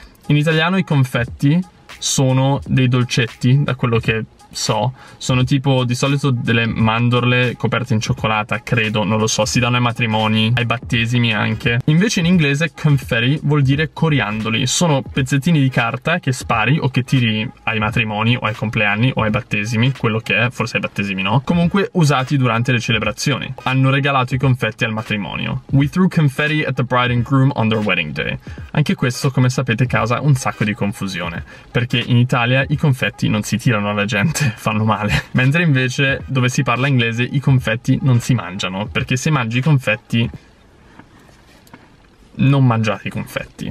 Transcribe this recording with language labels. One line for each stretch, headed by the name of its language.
Italian: In italiano i confetti sono dei dolcetti, da quello che so, sono tipo di solito delle mandorle coperte in cioccolata, credo, non lo so, si danno ai matrimoni, ai battesimi anche. Invece in inglese confetti vuol dire coriandoli, sono pezzettini di carta che spari o che tiri ai matrimoni o ai compleanni o ai battesimi, quello che è, forse ai battesimi no, comunque usati durante le celebrazioni. Hanno regalato i confetti al matrimonio.
English: We threw confetti at the bride and groom on their wedding day.
Italian: Anche questo, come sapete, causa un sacco di confusione, perché in Italia i confetti non si tirano alla gente, fanno male. Mentre invece dove si parla inglese i confetti non si mangiano, perché se mangi i confetti, non mangiate i confetti.